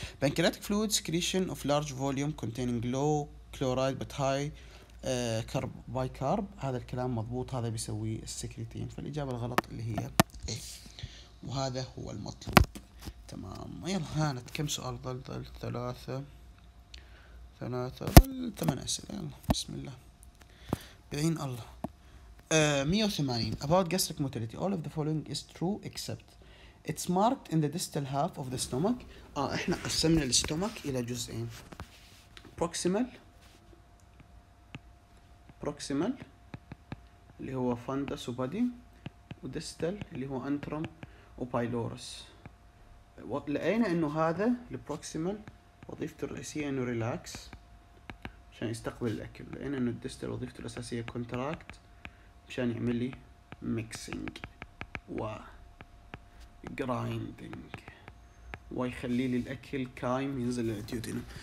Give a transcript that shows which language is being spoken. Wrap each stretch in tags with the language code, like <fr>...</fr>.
<en>pancreatic fluid secretion of large volume containing low chloride but high carb bicarb,</en> <ar>هذا الكلام مضبوط، هذا بيسوي السكريتين، فالاجابه الغلط اللي هي اي، وهذا هو المطلوب. تمام. يلا هانت كم سؤال ضل؟ ضل ثلاثه ضل 8 اسئله. يلا بسم الله بعين الله. 180.</ar> <en>about gastric motility all of the following is true except it's marked in the distal half of the stomach.</en> <ar>احنا قسمنا الستومك الى جزئين، proximal اللي هو fundus وبادي، وديستال اللي هو انتروم وبايلورس. لقينا انه هذا البروكسيمال وظيفته الرئيسيه انه ريلاكس عشان يستقبل الاكل، لقينا انه الديستال وظيفته الاساسيه كونتراكت عشان يعمل لي ميكسينج و جرايندينج ويخلي لي الاكل كايم ينزل للديودينم.</ar>